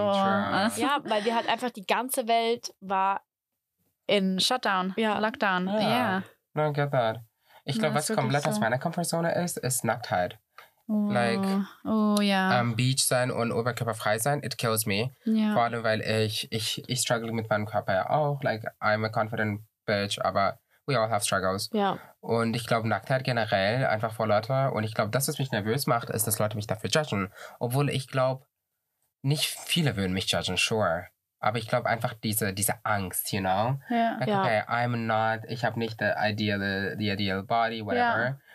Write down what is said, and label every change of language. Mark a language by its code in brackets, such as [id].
[de] Ja, weil wir halt einfach die ganze Welt war in Shutdown, Lockdown. [en] No, I get that. [de] Ich glaube, was komplett aus meiner Comfortzone ist Nacktheit. Am Beach sein und oberkörperfrei sein, [en] it kills me. Yeah. [de] Vor allem, weil ich struggle mit meinem Körper ja auch. [en] Like, I'm a confident bitch, [de] aber [en] we all have struggles. [de] Und ich glaube, Nacktheit generell, einfach vor Leute, und ich glaube, das, was mich nervös macht, ist, dass Leute mich dafür judgen. Obwohl ich glaube, nicht viele würden mich judgen, sure. Aber ich glaube einfach diese Angst, [en] you know? [de] Okay, ich habe nicht [en] the ideal body, whatever.